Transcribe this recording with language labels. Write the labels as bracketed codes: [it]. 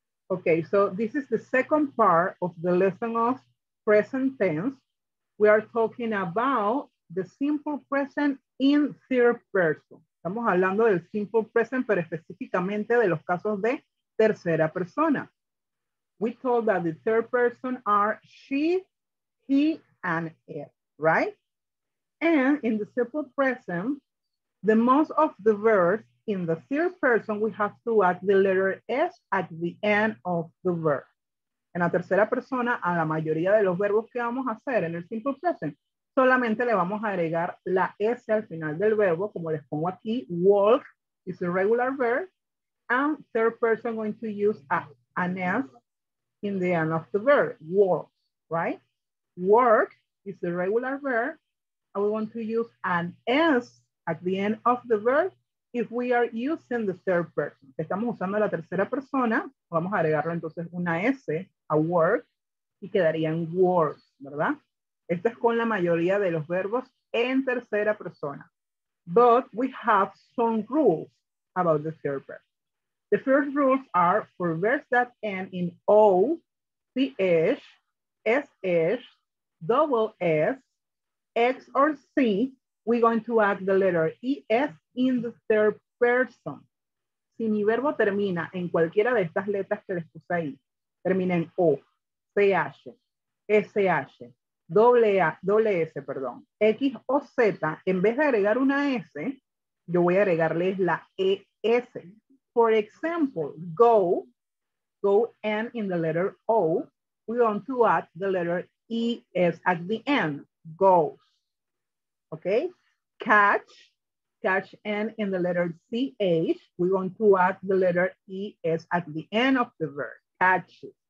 [en] Okay, so this is the second part of the lesson of present tense. We are talking about the simple present in third person. [es] Estamos hablando del simple present, pero específicamente de los casos de tercera persona. [en] We told that the third person are she, he, and it, right? And in the simple present, the most of the verbs in the third person, we have to add the letter S at the end of the verb. [es] En la tercera persona, a la mayoría de los verbos que vamos a hacer en el simple present, solamente le vamos a agregar la S al final del verbo, como les pongo aquí, [en] walk is a regular verb, and third person going to use an S in the end of the verb, walk, right? Work is a regular verb, and we want to use an S at the end of the verb if we are using the third person. [es] Estamos usando la tercera persona, vamos a agregarle entonces una S a work y quedarían words, ¿verdad? Esto es con la mayoría de los verbos en tercera persona. [en] But we have some rules about the third person. The first rules are for verbs that end in O, CH, SH, double S, X or C, we're going to add the letter ES in the third person. [es] Si mi verbo termina en cualquiera de estas letras que les puse ahí, termina en O, CH, SH, doble S, perdón, X o Z, en vez de agregar una S, yo voy a agregarles la ES. [en] For example, go and in the letter O, we want to add the letter ES at the end, goes, okay? Catch and in the letter CH, we want to add the letter ES at the end of the verb, catch.